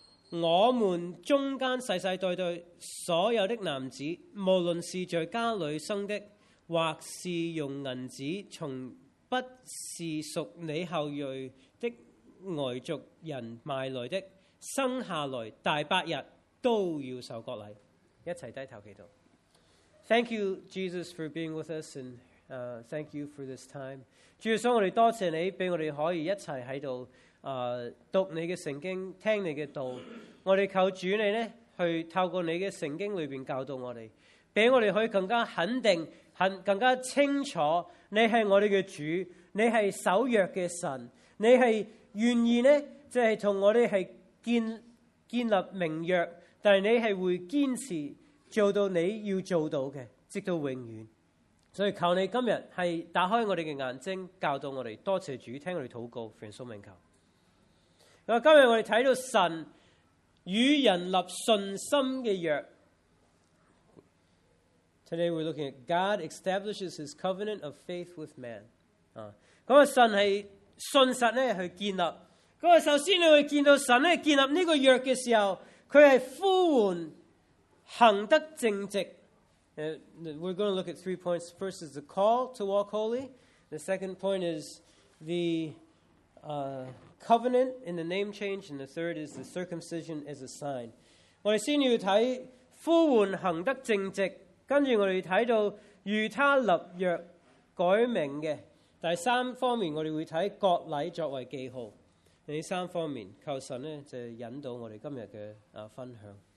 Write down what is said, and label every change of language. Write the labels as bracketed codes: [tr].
[zh] 我们中间世世代代所有的男子，无论是在家里生的，或是用银子从不是属你后裔的外族人买来的，生下来大八日都要受割礼。一起低头祈祷。 [en] Thank you, Jesus, for being with us, and thank you for this time. [zh] 主耶稣，我们多谢你，让我们可以一起在这里读你的圣经，听你的道。我们求主你呢，去透过你的圣经里面教导我们，让我们可以更加肯定，更加清楚，你是我们的主，你是守约的神，你是愿意呢，就是跟我们是 建立盟约，但是你是会坚持做到你要做到的，直到永远。所以求你今天是打开我们的眼睛，教导我们，多谢主，听我们祷告，奉耶稣名求。今天我们看到神与人立信心的约。 [en] Today we're looking at God establishes his covenant of faith with man. [zh] 那神是信实呢去建立。那首先你会见到神呢建立这个约的时候，他是呼唤行得正直。 [en] We're going to look at three points. First is the call to walk holy. The second point is the covenant in the name change. And the third is the circumcision as a sign. [zh] 我们先要看呼唤行得正直，跟着我们看到与他立约改名的。第三方面我们会看割礼作为记号。第三方面求神呢就引导我们今天的分享。